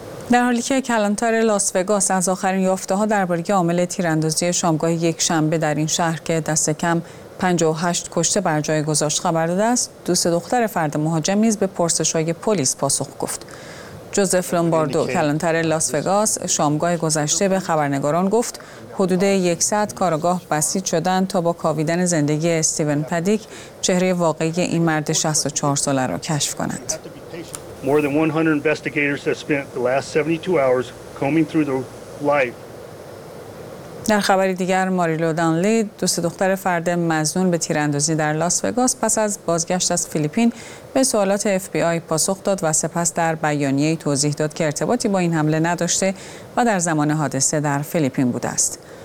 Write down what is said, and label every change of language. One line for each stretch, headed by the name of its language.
Persian: در حالی که کلانتر لاس وگاس از آخرین یافته‌ها درباره عامل تیراندازی شامگاه یک شنبه در این شهر که دست کم 58 کشته بر جای گذاشت خبر داده است، دوست دختر فرد مهاجم نیز به پرسش‌های پلیس پاسخ گفت. جوزف لومباردو کلانتر لاس وگاس شامگاه گذشته به خبرنگاران گفت حدود 100 کارگاه بسیج شدند تا با کاویدن زندگی استیون پدیک چهره واقعی این مرد 64 ساله را کشف کنند.
English: More than 100 investigators have spent the last 72 hours combing through the life.
Persian: در خبری دیگر، ماریلو دانلی، دوست دختر فرد مظنون به تیراندازی در لاس وگاس، پس از بازگشت از فیلیپین به سوالات FBI پاسخ داد و سپس در بیانیه‌ای توضیح داد که ارتباطی با این حمله نداشته و در زمان حادثه در فیلیپین بوده است.